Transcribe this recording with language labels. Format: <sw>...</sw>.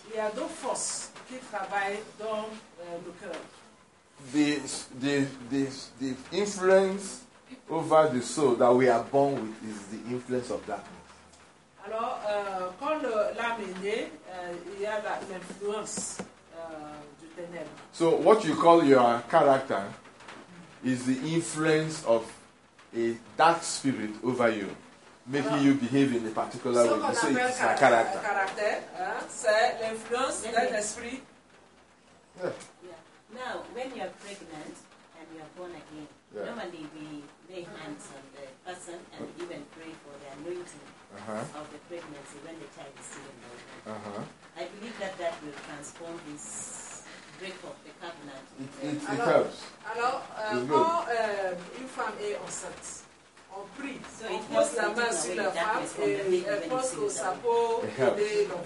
<fr>Il y a deux forces qui travaillent dans le cœur.</fr> <en>The influence over the soul that we are born with is the influence of darkness.</en> <fr>Alors, quand l'âme est née, il y a l'influence du ténèbre.</fr> <en>So what you call your character is the influence of a dark spirit over you, making you behave in a particular way. So it's a character.</en> <fr>Caractère, c'est l'influence d'un esprit.</fr> <en>Now, when you are pregnant and you are born again, normally we lay hands on the person and even pray for the anointing of the pregnancy when the child is still in the womb. I believe that will transform this break of the covenant. It helps.</en> <fr>Alors, quand une femme est enceinte, on prie, so on pose la main sur la femme et elle pose le chapeau et l'enfant.</fr>